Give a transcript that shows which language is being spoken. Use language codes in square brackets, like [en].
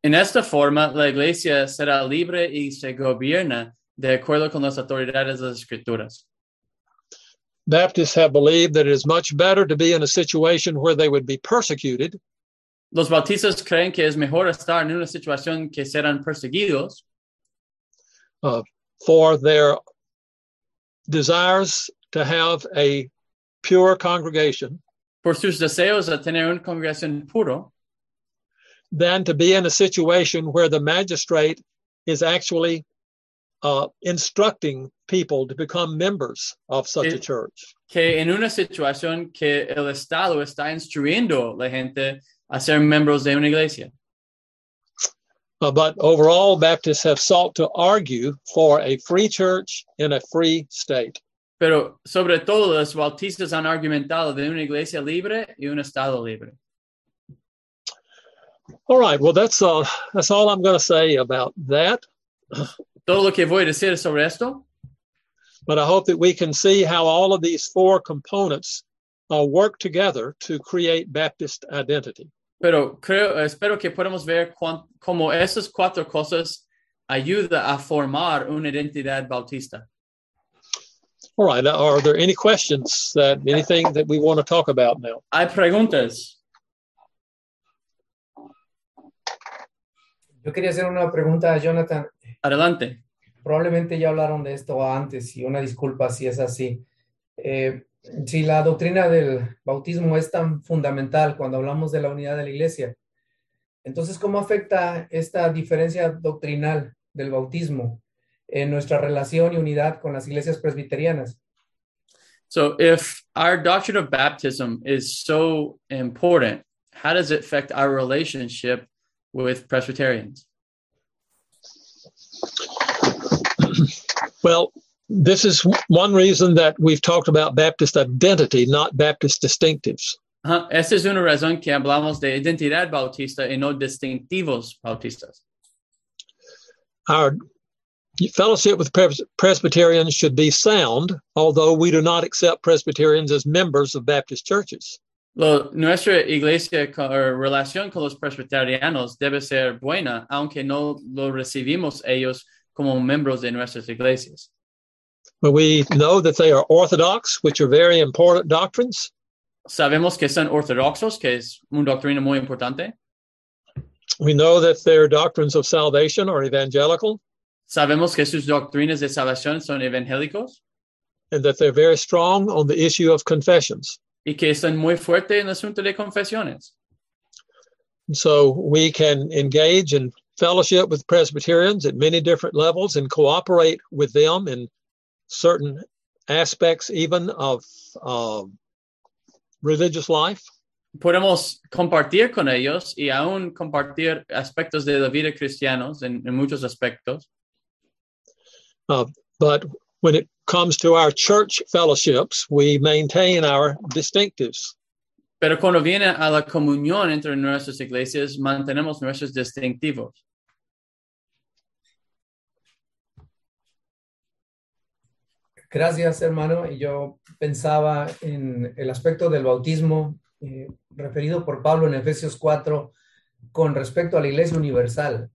[es] En esta forma, la iglesia será libre y se gobierna de acuerdo con las autoridades de las escrituras. [en] Baptists have believed that it is much better to be in a situation where they would be persecuted. [es] Los bautistas creen que es mejor estar en una situación que serán perseguidos. [en] For their desires to have a pure congregation. [es] Por sus deseos de tener una congregación puro. [en] Than to be in a situation where the magistrate is actually instructing people to become members of such a church. [es] Que en una situación que el Estado está instruyendo la gente a ser miembros de una iglesia. [en] But overall, Baptists have sought to argue for a free church in a free state. [es] Pero sobre todo, los bautistas han argumentado de una iglesia libre y un estado libre. [en] All right, well, that's all I'm going to say about that. [es] Todo lo que voy a decir sobre esto. [en] But I hope that we can see how all of these four components work together to create Baptist identity. [es] Pero creo, espero que podamos ver cómo esas cuatro cosas ayudan a formar una identidad bautista. [en] All right. Are there any questions, anything that we want to talk about now? [es] Hay preguntas. Yo quería hacer una pregunta a Jonathan. Adelante. Probablemente ya hablaron de esto antes y una disculpa si es así. Si la doctrina del bautismo es tan fundamental cuando hablamos de la unidad de la iglesia, entonces, ¿cómo afecta esta diferencia doctrinal del bautismo en nuestra relación y unidad con las iglesias presbiterianas? [en] So, if our doctrine of baptism is so important, how does it affect our relationship with Presbyterians? Well, this is one reason that we've talked about Baptist identity, not Baptist distinctives. [es] Esa es una razón que hablamos de identidad bautista y no distintivos bautistas. [en] Our fellowship with Presbyterians should be sound, although we do not accept Presbyterians as members of Baptist churches. [es] Nuestra iglesia o relación con los presbiterianos debe ser buena, aunque no lo recibimos ellos como miembros de nuestras iglesias. [en] But we know that they are orthodox, which are very important doctrines. [es] Sabemos que son ortodoxos, que es una doctrina muy importante. [en] We know that their doctrines of salvation are evangelical. [es] Sabemos que sus doctrinas de salvación son evangélicos. [en] And that they're very strong on the issue of confessions. [es] Y que son muy fuertes en el asunto de confesiones. [en] So we can engage in fellowship with Presbyterians at many different levels and cooperate with them in certain aspects even of religious life. [es] Podemos compartir con ellos y aún compartir aspectos de la vida cristianos en muchos aspectos. [en] But when it comes to our church fellowships, we maintain our distinctives. [es] Pero cuando viene a la comunión entre nuestras iglesias, mantenemos nuestros distintivos. Gracias, hermano. Y yo pensaba en el aspecto del bautismo referido por Pablo en Efesios 4 con respecto a la iglesia universal.